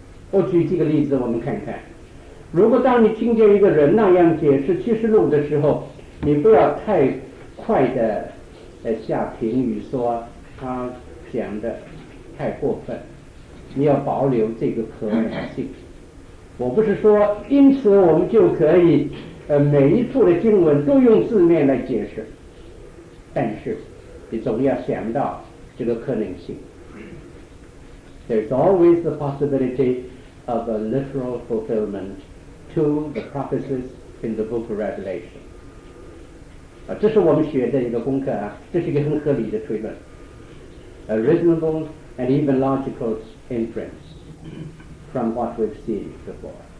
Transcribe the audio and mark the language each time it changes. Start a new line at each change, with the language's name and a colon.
Chinese: 我举几个例子我们看看。如果当你听见一个人那样解释启示录的时候，你不要太快的下评语说他讲的太过分，你要保留这个可能性。我不是说因此我们就可以每一处的经文都用字面来解释，但是你总要想到这个可能性。
English: There's always the possibility of a literal fulfillment to the prophecies in the book of Revelation.
Chinese: 啊，这是我们学的一个功课啊，这是一个很合理的推论。
English: A reasonable and even logical inference from what we've seen before.